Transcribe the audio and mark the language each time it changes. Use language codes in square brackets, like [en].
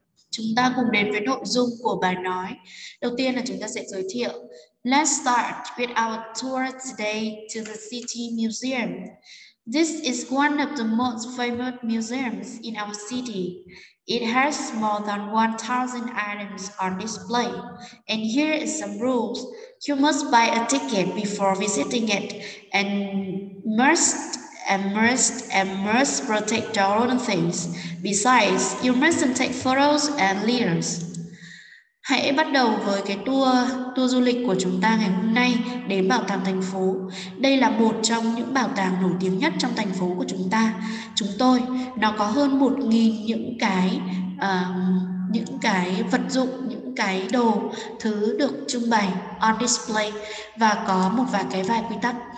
[vi] Chúng ta cùng đến với nội dung của bài nói. Đầu tiên là chúng ta sẽ giới thiệu. [en] Let's start with our tour today to the City Museum. This is one of the most famous museums in our city. It has more than 1,000 items on display. And here are some rules. You must buy a ticket before visiting it and must protect your own things. Besides, you mustn't take photos and leaders. [vi] Hãy bắt đầu với cái tour du lịch của chúng ta ngày hôm nay đến bảo tàng thành phố. Đây là một trong những bảo tàng nổi tiếng nhất trong thành phố của chúng ta. Chúng tôi, nó có hơn 1.000 những cái vật dụng, những cái đồ, thứ được trưng bày [en] on display [vi] và có một vài quy tắc.